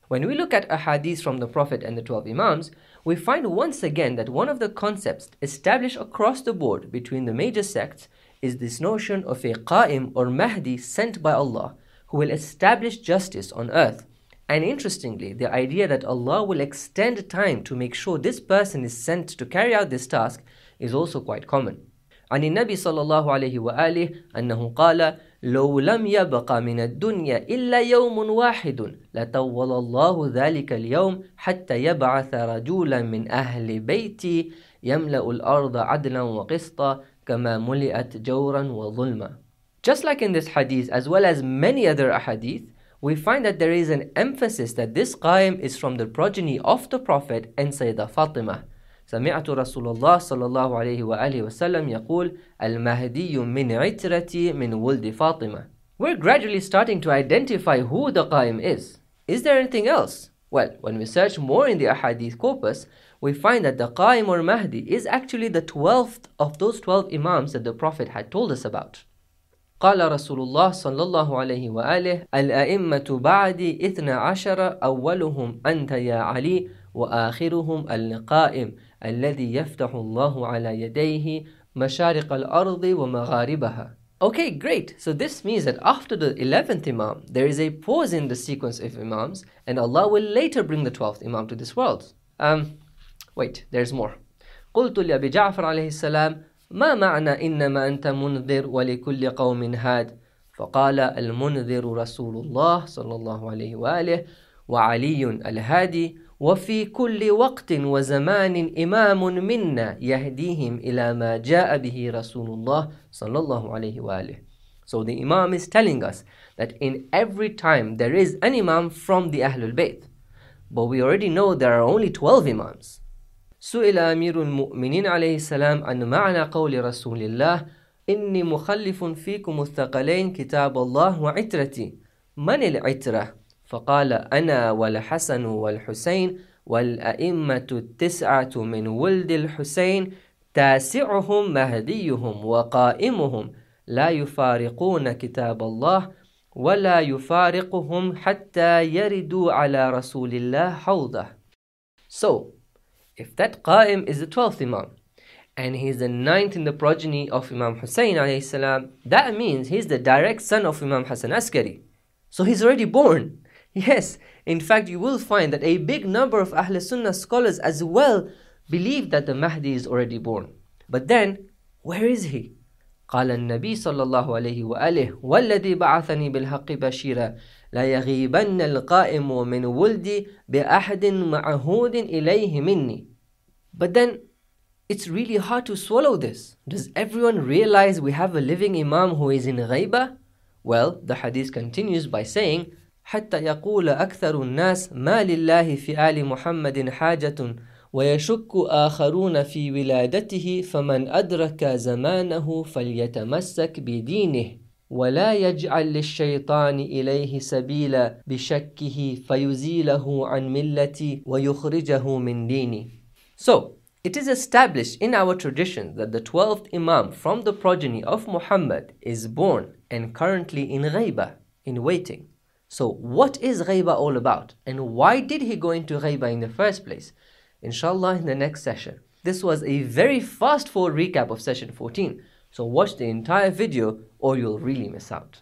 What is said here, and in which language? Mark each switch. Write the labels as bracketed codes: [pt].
[en] When we look at ahadith from the Prophet and the 12 Imams, we find once again that one of the concepts established across the board between the major sects is this notion of a Qa'im or Mahdi sent by Allah who will establish justice on earth. And interestingly, the idea that Allah will extend time to make sure this person is sent to carry out this task is also quite common. [ar] عن النبي صلى الله عليه وآله أنه قال لو لم يبقى من الدنيا إلا يوم واحد لطول الله ذلك اليوم حتى يبعث رجولا من أهل بيتي يملأ الأرض عدلا وقسطا كما ملئت جورا وظلما. [en] Just like in this hadith, as well as many other ahadith, we find that there is an emphasis that this qaim is from the progeny of the Prophet and Sayyida Fatima. [ar] سمعت رسول الله صلى الله عليه وآله وسلم يقول المهدي من عترتي من ولد فاطمة. [en] We're gradually starting to identify who the Qa'im is. Is there anything else? Well, when we search more in the Ahadith corpus, we find that the Qa'im or Mahdi is actually the 12th of those 12 Imams that the Prophet had told us about. [ar] قال رسول الله صلى الله عليه وآله الأئمة بعدي 12 أولهم أنت يا علي وآخرهم القائم الذي يفتح الله على يديه مشارق الأرض ومغاربها. [en] Okay, great. So this means that after the 11th Imam, there is a pause in the sequence of Imams, and Allah will later bring the 12th Imam to this world. Wait, there's more. [ar] قلت لأبي جعفر عليه السلام ما معنى إنما أنت منذر ولكل قوم هاد؟ فقال المنذر رسول الله صلى الله عليه وآله وعلي الهادي وفي كل وقت وزمان إمام منا يهديهم إلى ما جاء به رسول الله صلى الله عليه وآله. [en] So the Imam is telling us that in every time there is an Imam from the Ahlul Bayt. But we already know there are only 12 Imams. [ar] سئل أمير المؤمنين عليه السلام عن معنى قول رسول الله إني مخلف فيكم الثقلين كتاب الله وعترتي من العترة؟ فقال أنا والحسن والحسين والأئمة التسعة من ولد الحسين تاسعهم مهديهم وقائمهم لا يفارقون كتاب الله ولا يفارقهم حتى يردوا على رسول الله حوضه. [en] So, if that Qa'im is the 12th Imam, and he's the 9th in the progeny of Imam Hussein عليه السلام, that means he's the direct son of Imam Hassan Askari. So he's already born. Yes, in fact, you will find that a big number of Ahl Sunnah scholars as well believe that the Mahdi is already born. But then, where is he? [ar] قال النبي صلى الله عليه وآله والذي بعثني بالحق بشيرا لا يغيبن القائم من ولدي بأحد معهود إليه مني. [en] But then, it's really hard to swallow this. Does everyone realize we have a living Imam who is in ghaiba? Well, the hadith continues by saying, [ar] حتى يقول أكثر الناس ما لله في آل محمد حاجة ويشك آخرون في ولادته فمن أدرك زمانه فليتمسك بدينه ولا يجعل للشيطان إليه سبيلا بشكه فيزيله عن ملتي ويخرجه من ديني. [en] So, it is established in our tradition that the 12th Imam from the progeny of Muhammad is born and currently in ghaiba, in waiting. So what is ghaiba all about? And why did he go into ghaiba in the first place? Inshallah in the next session. This was a very fast forward recap of session 14. So watch the entire video or you'll really miss out.